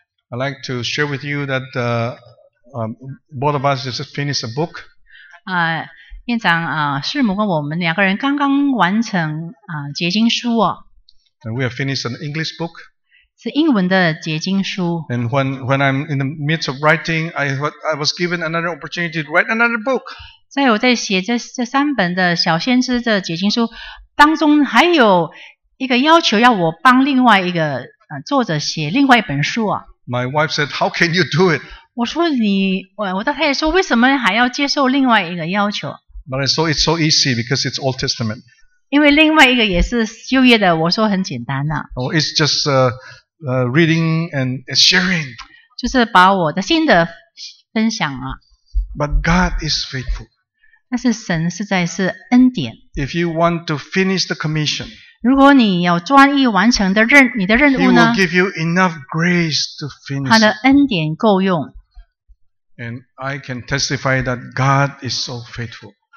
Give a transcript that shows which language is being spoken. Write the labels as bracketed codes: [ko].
[en] I'd like to share with you that both of us just finished a book. [zh] 院长师母跟我们两个人刚刚完成结晶书哦。 [en] And we have finished an English book. [zh] 是英文的结晶书。 [en] And when I'm in the midst of writing, I was given another opportunity to write another book. [zh] 在我在写这三本的小先知的结晶书当中，还有一个要求要我帮另外一个作者写另外一本书啊。 [en] My wife said, "How can you do it?" [zh] 我说你，我太太说，为什么还要接受另外一个要求 [en] ？But I saw it's so easy because it's Old Testament. [zh] 因为另外一个也是旧约的，我说很简单啊。 [en] Oh, it's just reading and sharing. [zh] 就是把我的心得分享啊。 [en] But God is faithful. [zh] 但是神实在是恩典。 [en] If you want to finish the commission, [zh] 如果你要专一完成的你的任务呢？ [en] He will give you enough grace to finish. [zh] 他的恩典够用。 [en] And I can testify that God is so faithful.